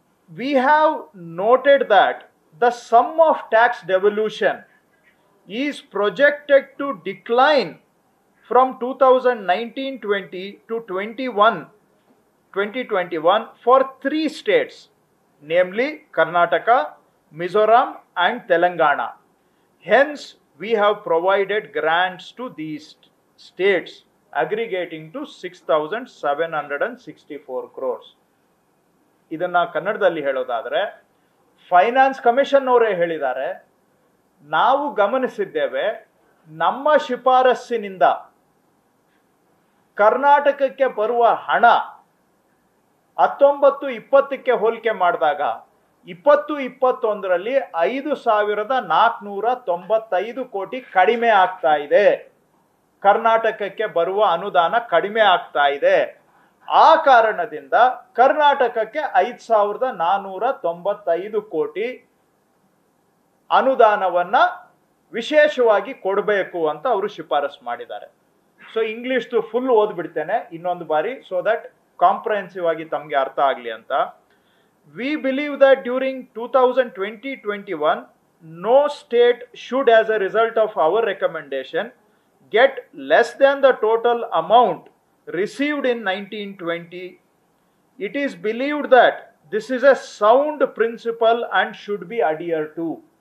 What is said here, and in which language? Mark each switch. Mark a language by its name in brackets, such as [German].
[English] We have noted that the sum of tax devolution is projected to decline from 2019-20 to 2021 for 3 states, namely Karnataka, Mizoram and Telangana. Hence we have provided grants to these states aggregating to 6,764 crore. [Kannada] ಇದನ್ನ ಕನ್ನಡದಲ್ಲಿ ಹೇಳೋದಾದರೆ finance commission ಅವರೇ ಹೇಳಿದ್ದಾರೆ, ನಾವು ಗಮನಿಸಿದ್ದೇವೆ ನಮ್ಮ ಶಿಫಾರಸ್ಸಿನಿಂದ ಕರ್ನಾಟಕಕ್ಕೆ ಬರುವ ಹಣ 19-20 ಹೋಲಿಕೆ ಮಾಡಿದಾಗ 2020 5,495 crore ಕಡಿಮೆ ಆಗ್ತಾ ಇದೆ. ಕರ್ನಾಟಕಕ್ಕೆ ಬರುವ ಅನುದಾನ ಕಡಿಮೆ ಆಗ್ತಾ ಇದೆ. ಆ ಕಾರಣದಿಂದ ಕರ್ನಾಟಕಕ್ಕೆ 5,495 crore ಅನುದಾನವನ್ನು ವಿಶೇಷವಾಗಿ ಕೊಡಬೇಕು ಅಂತ ಅವರು ಶಿಫಾರಸು ಮಾಡಿದ್ದಾರೆ. ಸೊ ಇಂಗ್ಲಿಷ್ದು ಫುಲ್ ಓದ್ಬಿಡ್ತೇನೆ ಇನ್ನೊಂದು ಬಾರಿ, [English] so that [Kannada] ಕಾಂಪ್ರಹೆನ್ಸಿವ್ ಆಗಿ ತಮಗೆ ಅರ್ಥ ಆಗಲಿ ಅಂತ. [English] We believe that during 2020-21, no state should, as a result of our recommendation, get less than the total amount received in 1920. It is believed that this is a sound principle and should be adhered to.